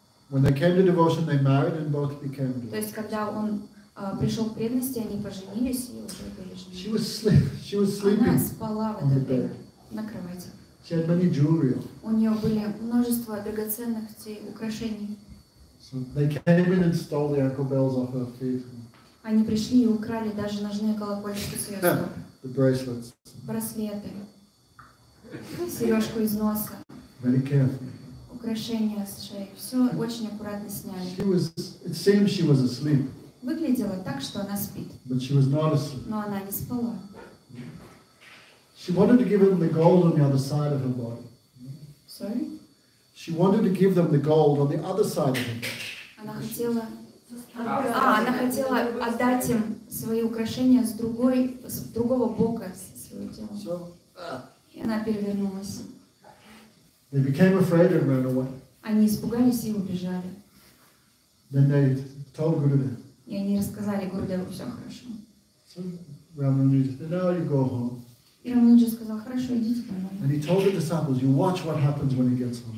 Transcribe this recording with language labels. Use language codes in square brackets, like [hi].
[en] When they came to devotion, they married and both became. [ru] То есть когда он пришел к преданности, они поженились и уже были женаты. [en] She was sleeping. [ru] Она спала в этот день на кровати. [en] She had many jewelry. [ru] У нее были множество драгоценных украшений. [en] So they came in and stole the ankle bells off her feet. [ru] Они пришли и украли даже ножные колокольчики с ее стоп. Браслеты. Сережку из носа. [en] Very careful. [ru] Украшения с шеи. Все очень аккуратно сняли. [en] It seems she was asleep. [ru] Выглядело так, что она спит. [en] But she was not asleep. [ru] Но она не спала. [en] She wanted to give them the gold on the other side of her body. Sorry? She wanted to give them the gold on the other side of her body. [ru] Она хотела отдать им свои украшения с другого бока своего тела. [en] So, [ru] и она перевернулась. [en] They became afraid and ran away. [ru] Они испугались и убежали. [en] Then they told Gurudev. [ru] И они рассказали Гурудеву все хорошо. [en] So, Ramanuja said, "Now you go home." [ru] И Рамануджа сказал, "Хорошо, идите домой." [en] And he told the disciples, "You watch what happens when he gets home.